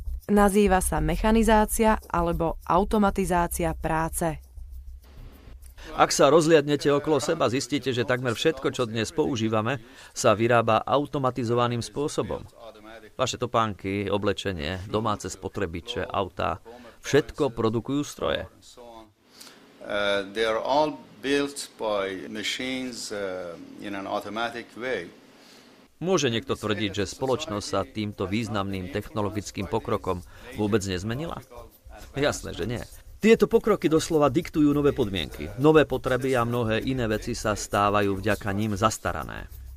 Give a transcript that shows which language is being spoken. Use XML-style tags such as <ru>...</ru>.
<sk>Nazýva sa mechanizácia alebo automatizácia práce. Ak sa rozliadnete okolo seba, zistíte, že takmer všetko, čo dnes používame, sa vyrába automatizovaným spôsobom. Vaše topánky, oblečenie, domáce spotrebiče, autá, všetko produkujú stroje.</sk> <en>They are all built by machines in an automatic way.</en> <sk>Môže niekto tvrdiť, že spoločnosť sa týmto významným technologickým pokrokom vôbec nezmenila? Jasné, že nie. Tieto pokroky doslova diktujú nové podmienky, nové potreby a mnohé iné veci sa stávajú vďaka ním zastarané.</sk>